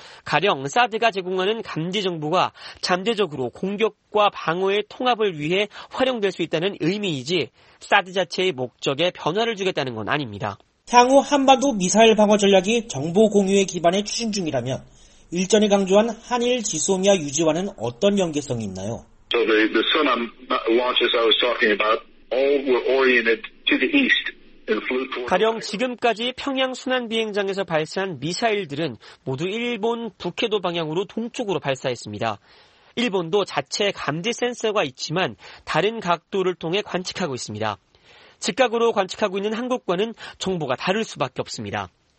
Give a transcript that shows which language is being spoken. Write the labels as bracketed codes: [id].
[ko] 가령 사드가 제공하는 감지 정보가 잠재적으로 공격과 방어의 통합을 위해 활용될 수 있다는 의미이지 사드 자체의 목적에 변화를 주겠다는 건 아닙니다. 향후 한반도 미사일 방어 전략이 정보 공유에 기반해 추진 중이라면 일전에 강조한 한일 지소미아 유지와는 어떤 연계성이 있나요? [en] So the Sunam launches I was talking about all were oriented to the east. [ko] 가령 지금까지 평양 순환 비행장에서 발사한 미사일들은 모두 일본 북해도 방향으로 동쪽으로 발사했습니다. 일본도 자체 감지 센서가 있지만 다른 각도를 통해 관측하고 있습니다. 즉각으로 관측하고 있는 한국과는 정보가 다를 수밖에 없습니다.